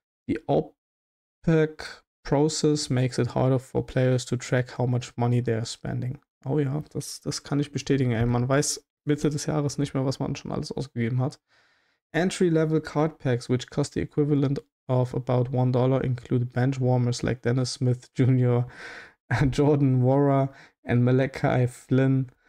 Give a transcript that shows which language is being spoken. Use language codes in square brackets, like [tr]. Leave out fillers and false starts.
[en] The OPEC process makes it harder for players to track how much money they are spending. [de] Oh ja, das kann ich bestätigen, ey. Man weiß Mitte des Jahres nicht mehr, was man schon alles ausgegeben hat. [en] Entry-level card packs, which cost the equivalent of about $1, include bench warmers like Dennis Smith Jr., Jordan Wara, and Malachi Flynn.